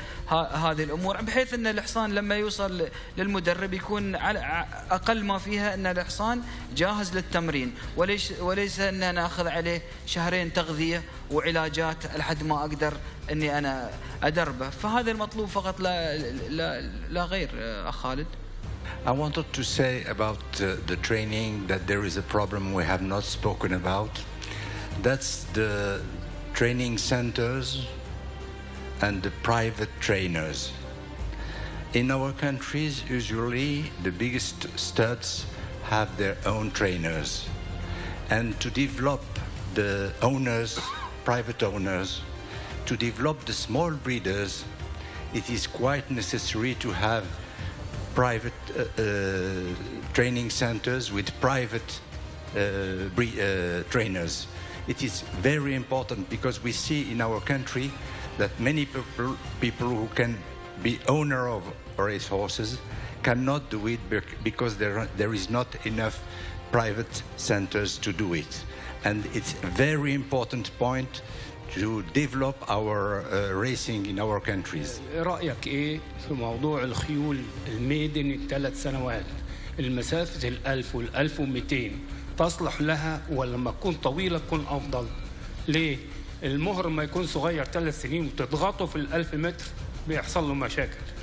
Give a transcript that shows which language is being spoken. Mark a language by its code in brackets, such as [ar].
[ar] هذه الأمور، بحيث أن الحصان لما يوصل للمدرب يكون على أقل ما فيها أن الحصان جاهز للتمرين، وليس أن أنا أخذ عليه شهرين تغذية وعلاجات لحد ما أقدر أني أنا أدربه. فهذا المطلوب فقط، لا, لا, لا غير. خالد، [en] I wanted to say about the training that there is a problem we have not spoken about. That's the training centers and the private trainers. In our countries, usually the biggest studs have their own trainers. And to develop the owners, private owners, to develop the small breeders, it is quite necessary to have private training centers with private trainers. It is very important because we see in our country that many people who can be owner of race horses cannot do it because there is not enough private centers to do it. And it's a very important point to develop our racing in our countries. [ar] رأيك إيه في موضوع الخيول الميدن الثلاث سنوات المسافة الألف والألف ومئتين تصلح لها ولما تكون طويلة تكون أفضل؟ ليه؟ المهر ما يكون صغير ثلاث سنين وتضغطه في الألف متر بيحصل له مشاكل.